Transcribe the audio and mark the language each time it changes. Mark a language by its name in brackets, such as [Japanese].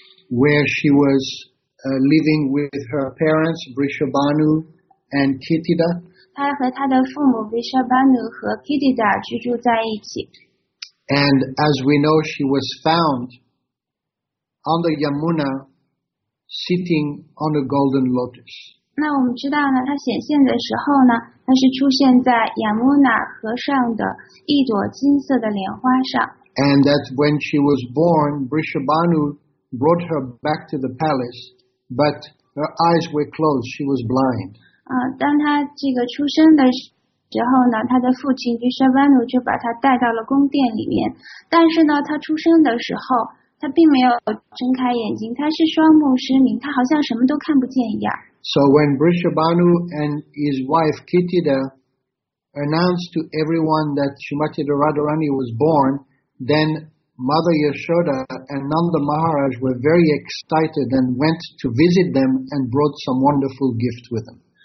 [English] Where she was living with her parents, Vrishabhanu and Kitida. [Chinese] 她和她的父母 Vrishabhanu 和 Kitida 居住在一起。 [English] And as we know, she was found on the Yamuna sitting on a golden lotus. [Chinese] 那我们知道呢，它显现的时候呢，它是出现在亚穆纳河上的一朵金色的莲花上。 [English] And that when she was born, Vrishabhanu brought her back to the palace, but her eyes were closed, she was blind. [Chinese] 当她这个出生的时候呢，她的父亲 Vrishabhanu 就把她带到了宫殿里面，但是呢，她出生的时候，她并没有睁开眼睛，她是双目失明，她好像什么都看不见一样。 [English] So when Vrishabhanu and his wife Kitida announced to everyone that Srimati Radharani was born, then Mother Yashoda and Nanda Maharaj were very excited and went to visit them and brought some wonderful gift with them.